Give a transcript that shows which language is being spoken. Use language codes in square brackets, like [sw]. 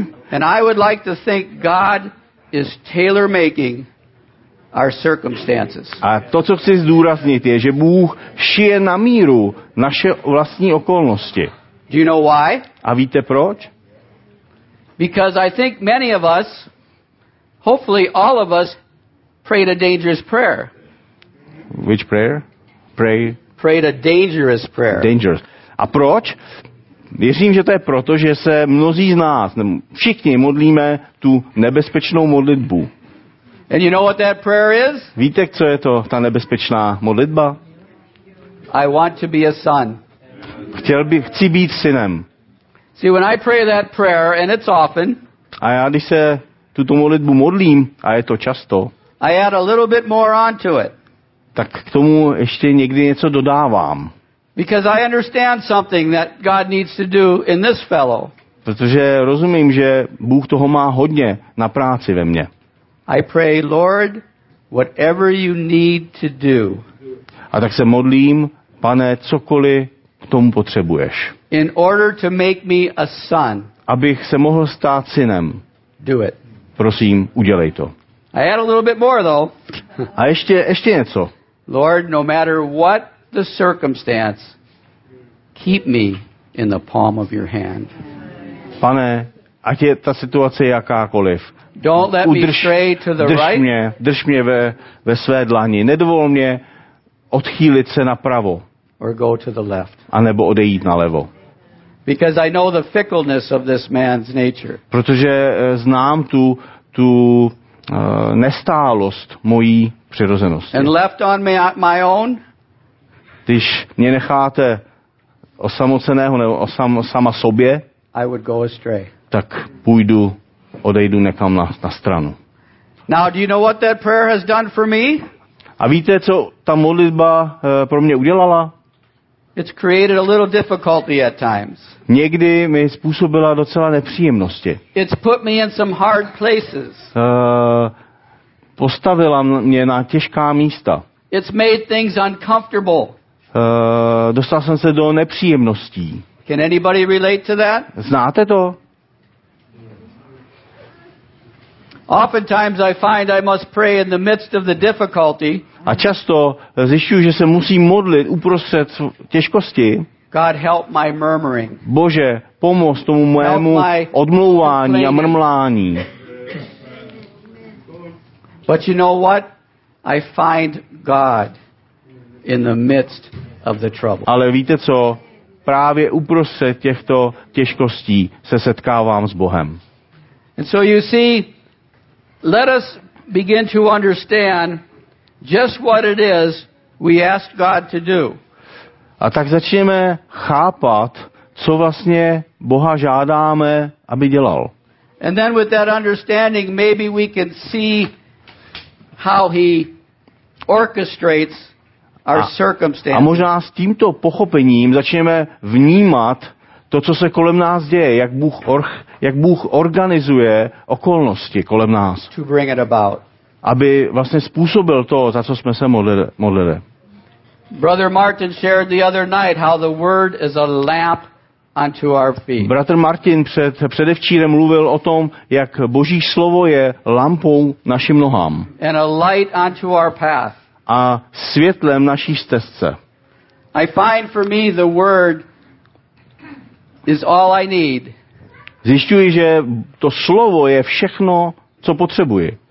[en] And I would like to think God is tailor making our circumstances. [cs] A to, co chci zdůraznit, je, že Bůh šije na míru naše vlastní okolnosti. [en] Do you know why? [cs] A víte proč? [en] Because I think many of us, hopefully all of us, prayed a dangerous prayer. Which prayer? Prayed a dangerous prayer. Dangerous. [cs] A proč? Věřím, že to je proto, že se mnozí z nás, všichni modlíme tu nebezpečnou modlitbu. [en] And you know what that prayer is? [cs] Víte, co je to ta nebezpečná modlitba? [en] I want to be a son. [cs] Chci být synem. [en] See, when I pray that prayer, and it's often. [cs] A já, když se tuto modlitbu modlím, a je to často. [en] I add a little bit more onto it. [cs] Tak k tomu ještě někdy něco dodávám. [en] Because I understand something that God needs to do in this fellow. [cs] Protože rozumím, že Bůh toho má hodně na práci ve mně. [en] I pray, Lord, whatever you need to do. [cs] A tak se modlím, Pane, cokoliv k tomu potřebuješ. [en] In order to make me a son. [cs] Abych se mohl stát synem. [en] Do it. [cs] Prosím, udělej to. [en] I add a little bit more though. [cs] A ještě něco. [en] Lord, no matter what the circumstance, keep me in the palm of your hand. [cs] Pane, ať je ta situace jakákoliv. [en] Don't let [cs] udrž, [en] me stray to the [cs] drž [en] right. [cs] Mě, drž mě ve své dlani. Nedovol mě odchýlit se napravo. [en] Or go to the left. [cs] A nebo odejít nalevo. [en] Because I know the fickleness of this man's nature. [cs] Protože znám tu nestálost mojí přirozenosti. [en] And left on me my own. [cs] Když mě necháte osamoceného nebo sama sobě, [en] I would go astray. [cs] Tak půjdu, odejdu někam na stranu. [en] Now, do you know what that prayer has done for me? [cs] A víte, co ta modlitba pro mě udělala? [en] It's created a little difficulty at times. [cs] Někdy mi způsobila docela nepříjemnosti. [en] It's put me in some hard places. [cs] Postavila mě na těžká místa. [en] It's made things uncomfortable. [cs] Dostal jsem se do nepříjemností. [en] Can anybody relate to that? [cs] Znáte to? [en] Oftentimes I find I must pray in the midst of the difficulty. [cs] A často zjišťuji, že se musím modlit uprostřed těžkosti. [en] God help my murmuring. [cs] Bože, pomoz tomu mému odmlouvání a mrmlání. [en] But you know what? I find God in the midst of the trouble. [cs] Ale víte co? Právě uprostřed těchto těžkostí se setkávám s Bohem. [en] And so you see, let us begin to understand just what it is we asked God to do. [cs] A tak začneme chápat, co vlastně Boha žádáme, aby dělal. [en] And then with that understanding, maybe we can see how he orchestrates our circumstances. [cs] A možná s tímto pochopením začneme vnímat to, co se kolem nás děje, jak Bůh organizuje okolnosti kolem nás, [en] to bring it about. [cs] Aby vlastně způsobil to, za co jsme se modlili. [en] Brother Martin shared the other night how the word is a lamp unto our feet. [cs] Bratr Martin předevčírem mluvil o tom, jak Boží slovo je lampou našim nohám. [en] And a light unto our path. [cs] A světlem naší stezce. [en] I find for me the word is all I need. [cs] Zjišťuji, že to slovo je všechno, co potřebuji.